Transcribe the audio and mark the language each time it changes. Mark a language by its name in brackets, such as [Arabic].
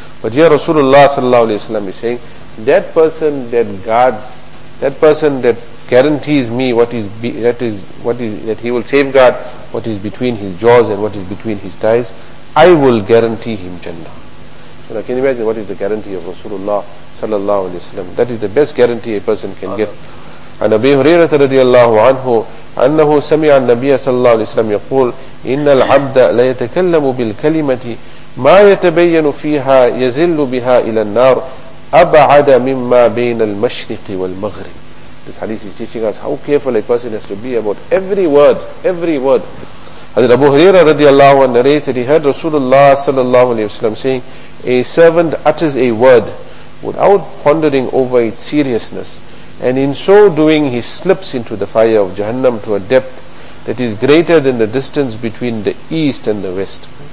[English] But here Rasulullah sallallahu alayhi wa sallam is saying, that person that guards, that person that guarantees me that he will safeguard what is between his jaws and what is between his thighs, I will guarantee him Jannah. So now, can you imagine what is the guarantee of Rasulullah sallallahu alayhi wa sallam? That is the best guarantee a person can get. [Arabic] عن أبي هريرة رضي الله عنه أنه سمع النبي صلى الله عليه وسلم يقول إن العبد لا يتكلم بالكلمة ما يتبين فيها يزل بها إلى النار أبعد مما بين المشرق والمغرب. [English] This hadith is teaching us how careful a person has to be about every word, every word. حضرت أبو هريرة رضي الله عنه narrated, he heard Rasulullah صلى الله عليه وسلم saying, a servant utters a word without pondering over its seriousness, and in so doing he slips into the fire of Jahannam to a depth that is greater than the distance between the east and the west.